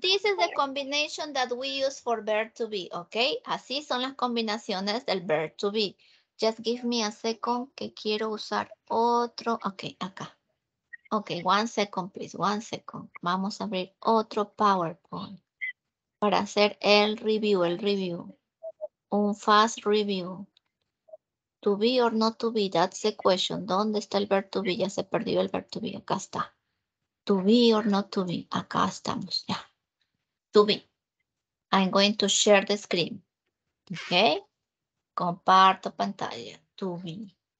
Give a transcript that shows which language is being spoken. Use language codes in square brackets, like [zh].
[en] This is the combination that we use for verb to be, okay? [es] Así son las combinaciones del verb to be. [en] Just give me a second [es] que quiero usar otro. [en] Okay, acá. Okay, one second, please. One second. [es] Vamos a abrir otro PowerPoint para hacer el review. [en] Un fast review. To be or not to be, that's the question. [es] ¿Dónde está el verb to be? Ya se perdió el verb to be. Acá está. [en] To be or not to be. [es] Acá estamos. Yeah. To be. [en] I'm going to share the screen. Okay. [es] Comparto pantalla. [en] To be.